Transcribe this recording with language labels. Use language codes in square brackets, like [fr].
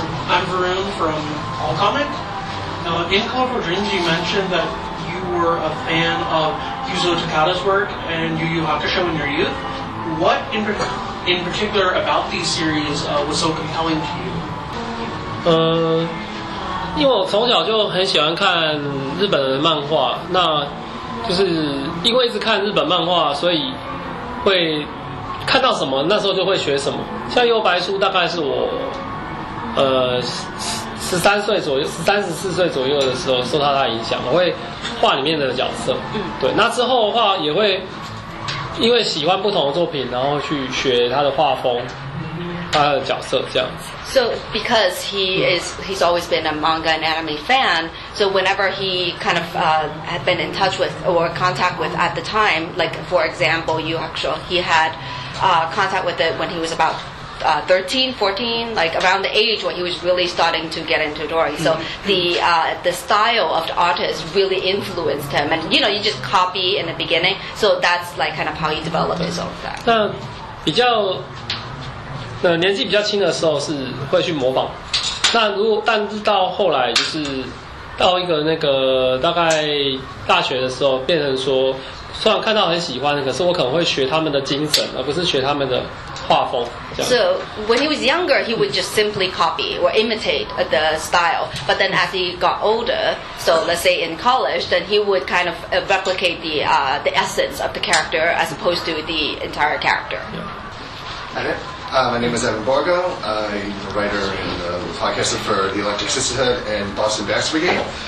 [en] I'm Varun from AllComic. In Call for Dreams, you mentioned that you were a fan of Yuzo Takada's work and Yu Yu Hakusho in your youth. What in particular about these series was so compelling to you? [zh] 因为我从小就很喜欢看日本的漫画，那就是因为一直看日本漫画，所以会看到什么，那时候就会学什么。像幽白书，大概是我13、14岁左右的时候受到它的影响，我会画里面的角色。嗯，对。那之后的话也会。因为喜欢不同的作品，然后去学他的画风，他的角色这样子。 [en] So because he is, he's always been a manga and anime fan. So whenever he kind of had been in touch with or contact with at the time, like for example, Yu Hakusho, he had contact with it when he was about 13, 14, like around the age when he was really starting to get into drawing. So the style of the artist really influenced him. And you know, you just copy in the beginning. So that's like kind of how he developed his own style. [zh] 那比较年纪比较轻的时候是会去模仿。那如果但是到后来就是到一个那个大概大学的时候，变成说虽然看到很喜欢，可是我可能会学他们的精神，而不是学他们的。 [en] So when he was younger, he would just simply copy or imitate the style. But then as he got older, so let's say in college, then he would kind of replicate the essence of the character as opposed to the entire character. Hi there. My name is Evan Borgo. I'm a writer and podcaster for The Electric Sisterhood and Boston Bass Brigade.